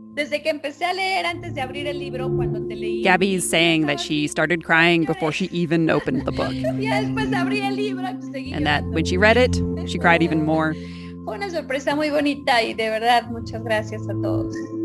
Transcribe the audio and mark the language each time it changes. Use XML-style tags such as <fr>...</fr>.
<es>Desde que empecé a leer antes de abrir el libro, cuando te leí...</es> <en>Gabby's saying that she started crying before she even opened the book. And that when she read it, she cried even more.</en> <es>Una sorpresa muy bonita y de verdad, muchas gracias a todos.</es>